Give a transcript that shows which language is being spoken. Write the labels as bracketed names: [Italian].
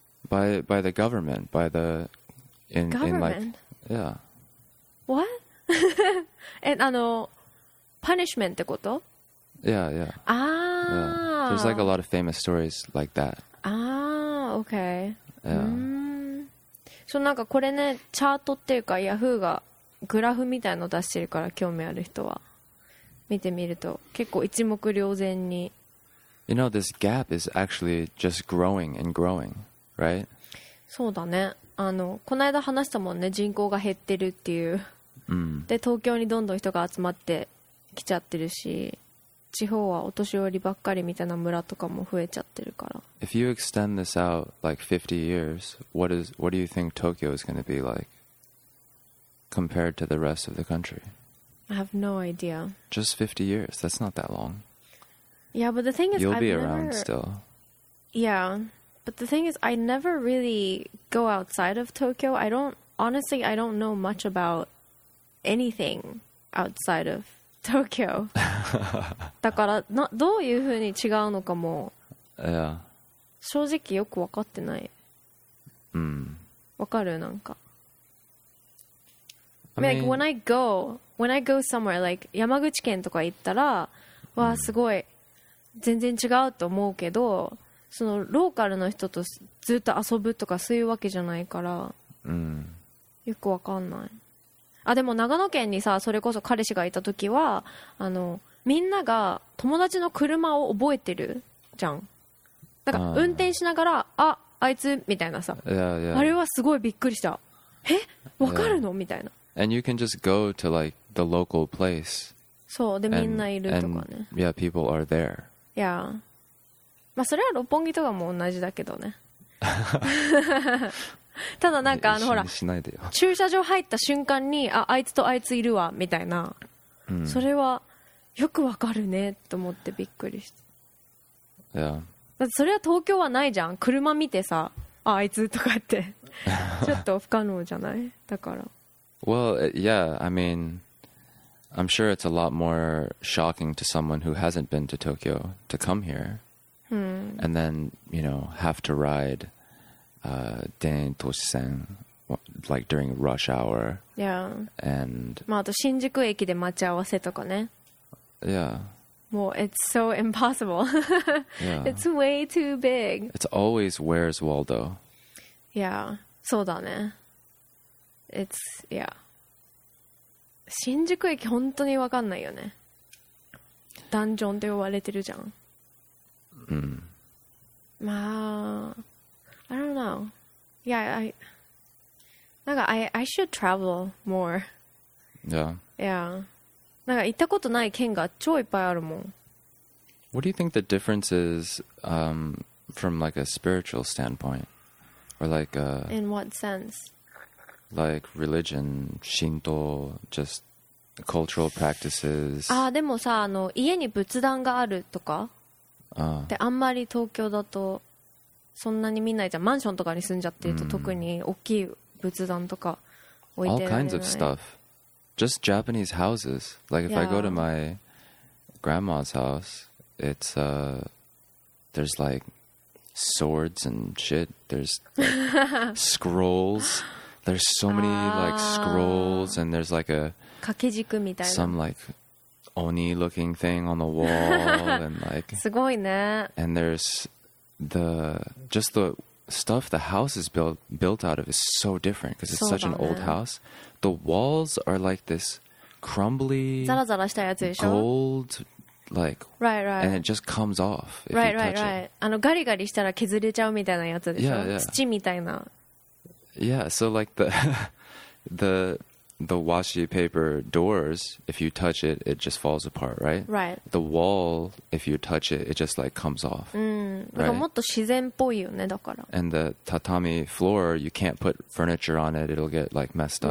[English] By the government. By the... In, government? In like, yeah. What? And, punishment [Japanese] ってこと? [English] Yeah, yeah. Ah! Yeah. There's like a lot of famous stories like that. Ah! Okay. Yeah. [Japanese] そうなんかこれねチャートっていうか Yahoo がグラフみたいの出してるから興味ある人は見てみると結構一目瞭然に。 [English] You know this gap is actually just growing and growing, right? [Japanese] そうだね。あのこの間話したもんね人口が減ってるっていう。で東京にどんどん人が集まってきちゃってるし。地方はお年寄りばっかりみたいな村とかも増えちゃってるから。 [English] If you extend this out like 50 years, what do you think Tokyo is going to be like compared to the rest of the country? I have no idea. Just 50 years, that's not that long. Yeah, but the thing is, you'll be I've around never... still. Yeah, but the thing is, I never really go outside of Tokyo. I don't, honestly, I don't know much about anything outside of Tokyo. [Japanese] だからな、どういうふうに違うのかも、 [English] yeah. [Japanese] 正直よく分かってない。わかる？なんか。 [English] I mean, like, when I go somewhere, like, [Japanese] 山口県とか行ったら、わあ、すごい、全然違うと思うけど、その、ローカルの人とずっと遊ぶとか、そういうわけじゃないから、よくわかんない。あ、でも、長野県にさ、それこそ彼氏がいた時は、あの、みんなが友達の車を覚えてるじゃん。だから、運転しながら、あ、あいつ、みたいなさ。 [English] Yeah, yeah. [Japanese] あれはすごいびっくりした。え、わかるの？みたいな。 [English] And you can just go to like the local place. [Japanese] そう、で、みんないるとかね。 [English] And, yeah, people are there. Yeah. [Japanese] まあ、それは六本木とかも同じだけどね。ただなんかあの、ほら、しないでよ。駐車場入った瞬間に、あ、あいつとあいついるわ、みたいな。それはよくわかるね、と思ってびっくりした。 [English] Yeah. [Japanese] だってそれは東京はないじゃん。車見てさ、あ、あいつとかって。ちょっと不可能じゃない？だから。 [English] Well, yeah, I mean, I'm sure it's a lot more shocking to someone who hasn't been to Tokyo to come here and then, you know, have to ride Den Toshisen like during rush hour. Yeah. And... [Japanese] まあ、あと新宿駅で待ち合わせとかね。 [English] Yeah. [Japanese] もう、 [English] it's so impossible. yeah. It's way too big. It's always Where's Waldo? Yeah, [Japanese] そうだね。 [English] It's, yeah. [Japanese] 新宿駅本当に分かんないよね。ダンジョンって呼ばれてるじゃん。まあ、 [English] I don't know. Yeah, I. [Japanese] なんか [English] I should travel more. Yeah. Yeah. [Japanese] なんか行ったことない県が超いっぱいあるもん。 [English] What do you think the difference is, from like a spiritual standpoint, or like a... In what sense? Like religion, Shinto, just cultural practices. [Japanese] ああ、でもさ、あの、家に仏壇があるとか、で、あんまり東京だとそんなに見ないじゃん。マンションとかに住んじゃってると特に大きい仏壇とか置いてない。 [English] All kinds of stuff. Just Japanese houses. Like if I go to my grandma's house, it's there's like swords and shit. There's like scrolls. There's so many like scrolls and there's like a [Japanese] 掛け軸みたいな [English] some like oni looking thing on the wall and like [Japanese] すごいね [English] and there's the just the stuff the house is built out of is so different because it's such an old house the walls are like this crumbly [Japanese] ザラザラしたやつでしょ [English] gold like right right and it just comes off if right, you touch right, right. it [Japanese] あのガリガリしたら削れちゃうみたいなやつでしょ [English] yeah, yeah. [Japanese] 土みたいな [English] Yeah, so like the washi paper doors, if you touch it, it just falls apart, right? Right. The wall, if you touch it, it just like comes off. Right? [Japanese] なんかもっと自然っぽいよね、だから。 [English] And the tatami floor, you can't put furniture on it, it'll get like messed up.